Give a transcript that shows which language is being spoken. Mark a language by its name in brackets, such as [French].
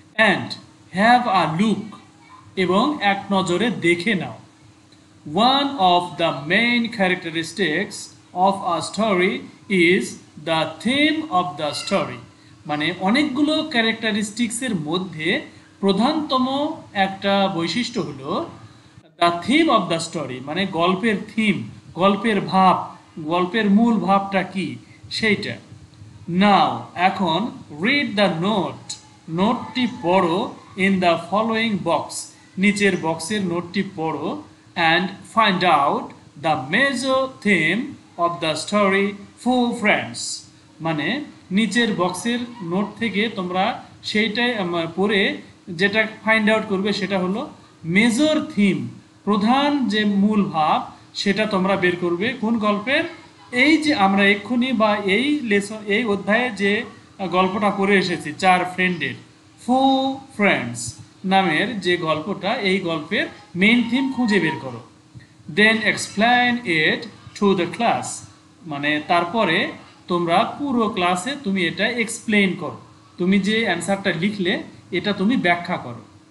[English] and have a look [Bangla] এবং এক নজরে দেখে নাও [English] one of the main characteristics of a story is the theme of the story [Bangla] মানে অনেকগুলো ক্যারেক্টারিস্টিক্সের মধ্যে প্রধানতম একটা বৈশিষ্ট্য হলো [English] the theme of the story [Bangla] মানে গল্পের থিম গল্পের ভাব গল্পের মূল ভাবটা কি সেইটা [English] Now, [Bangla] এখন [English] read the note. [Bangla] নোটটি পড়ো [English] in the following box. [Bangla] নিচের বক্সের নোটটি পড়ো [English] and find out the major theme of the story Four Friends. [Bangla] মানে নিচের বক্সের নোট থেকে তোমরা সেইটাই পড়ে যেটা [English] find out [Bangla] করবে সেটা হলো major theme. প্রধান যে মূল ভাব সেটা তোমরা বের করবে কোন গল্পের এই যে আমরা এক্ষুনি বা এই লেসন এই অধ্যায়ে যে গল্পটা করে এসেছি চার ফ্রেন্ডের ফোর ফ্রেন্ডস নামের যে গল্পটা এই গল্পের মেইন থিম খুঁজে বের করো [English] then explain it to the class [Bangla] মানে তারপরে তোমরা পুরো ক্লাসে তুমি এটা এক্সপ্লেইন করো তুমি যে অ্যান্সারটা লিখলে এটা তুমি ব্যাখ্যা করো